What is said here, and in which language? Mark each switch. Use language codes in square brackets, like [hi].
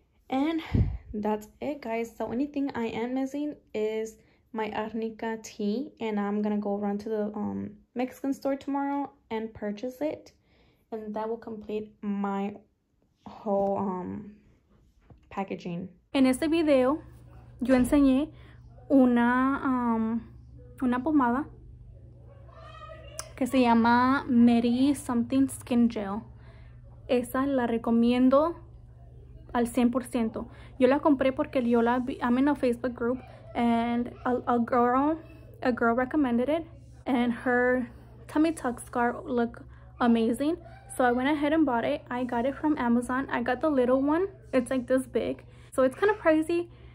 [en] And that's it, guys. The only thing I am missing is my Arnica tea, and I'm gonna go run to the Mexican store tomorrow and purchase it, and that will complete my whole packaging. [es] En este video yo enseñé una pomada que se llama Mary Something Skin Gel. Esa la recomiendo al 100%. [en] Yo la compré porque yo la vi, I'm in a Facebook group, and a girl recommended it, and her tummy tuck scar looked amazing. So I went ahead and bought it. I got it from Amazon. I got the little one. It's like this big. So it's kind of pricey.